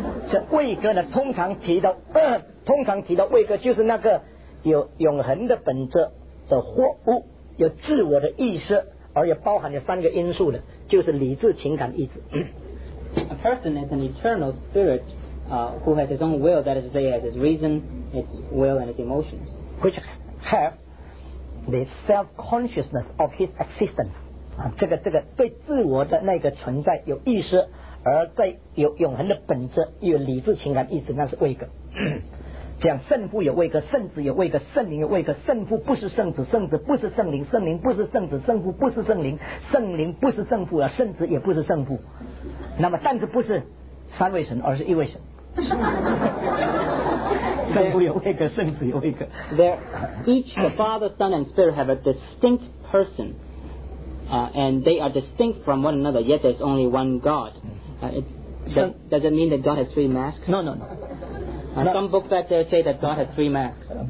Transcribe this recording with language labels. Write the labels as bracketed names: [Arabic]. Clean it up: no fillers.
[Chinese] 这卫歌呢，通常提的卫歌就是那个有永恒的本质的货物，有自我的意识，而也包含了三个因素的，就是理智、情感、意志。 [English] A person is an eternal spirit, who has his own will. That is to say, has his reason, its will, and its emotions, which have the self consciousness of his existence. [Chinese] 啊，这个对自我的那个存在有意识，而在有永恒的本质，有理智、情感、意志，那是位格。这样，圣父有位格，圣子有位格，圣灵有位格。圣父不是圣子，圣子不是圣灵，圣灵不是圣子，圣父不是圣灵，圣灵不是圣父啊，圣子也不是圣父。那么，但是不是三位神，而是一位神。圣父有位格，圣子有位格。 [English] There, each the Father, Son, and Spirit have a distinct person, and they are distinct from one another. Yet there's only one God. Does it mean that God has three masks? No. Some books out there say that God has three masks.